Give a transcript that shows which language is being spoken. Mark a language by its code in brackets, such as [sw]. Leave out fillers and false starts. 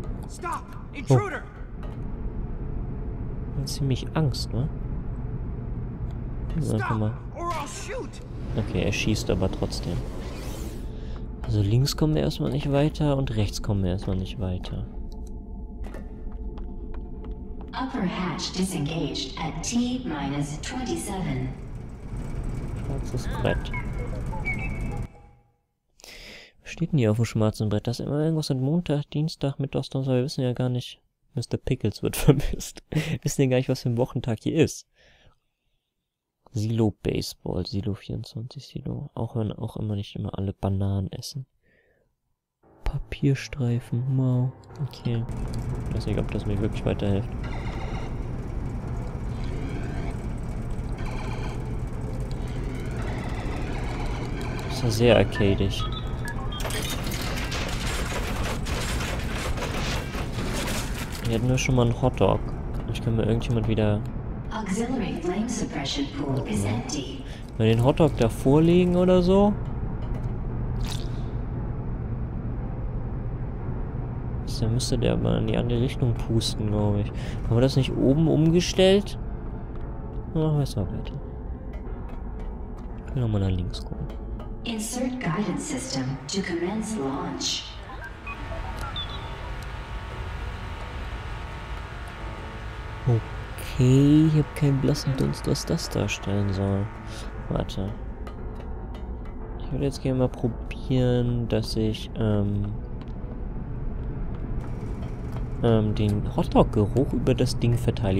[en] Stop! Intruder! [de] Oh. Ziemlich Angst, ne? [en] Stop, mal. Or I'll shoot. [de] Okay, er schießt aber trotzdem. Also links kommen wir erstmal nicht weiter und rechts kommen wir erstmal nicht weiter. [en] Upper hatch disengaged at T-27. [de] Schwarzes Brett. Was steht denn hier auf dem schwarzen Brett? Das ist immer irgendwas mit Montag, Dienstag, Mittwoch, Donnerstag. Wir wissen ja gar nicht. Mr. Pickles wird vermisst. Wir wissen ja gar nicht, was für ein Wochentag hier ist. Silo Baseball, Silo 24, Silo. Auch wenn auch immer nicht immer alle Bananen essen. Papierstreifen, wow. Okay. Ich weiß nicht, ob das mir wirklich weiterhilft. Das ist sehr arcadisch. Wir hatten nur schon mal einen Hotdog. Ich kann mir irgendjemand wieder... [en] Auxiliary flame suppression pool is empty. [de] Wenn den Hotdog da vorlegen oder so... Dann müsste der aber in die andere Richtung pusten, glaube ich. Haben wir das nicht oben umgestellt? Dann machen wir es mal weiter. Können wir mal nach links gucken. [en] Insert guidance system to commence launch. [de] Okay, ich habe keinen blassen Dunst, was das darstellen soll. Warte. Ich würde jetzt gerne mal probieren, dass ich den Hotdog-Geruch über das Ding verteile.